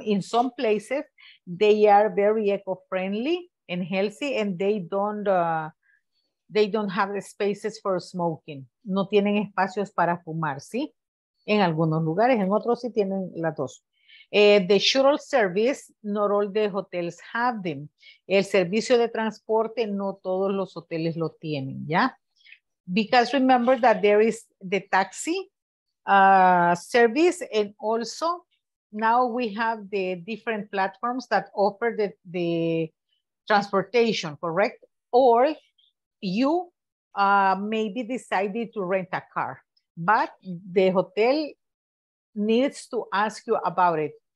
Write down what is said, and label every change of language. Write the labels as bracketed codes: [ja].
[en] In some places, they are very eco-friendly and healthy, and they don't have the spaces for smoking. [es] No tienen espacios para fumar, ¿sí? En algunos lugares, en otros sí tienen las dos. [en] The shuttle service, not all the hotels have them. [es] El servicio de transporte, no todos los hoteles lo tienen, ¿ya? [en] Because remember that there is the taxi service, and also now we have the different platforms that offer the transportation, correct? Or you maybe decided to rent a car, but the hotel needs to ask you about it.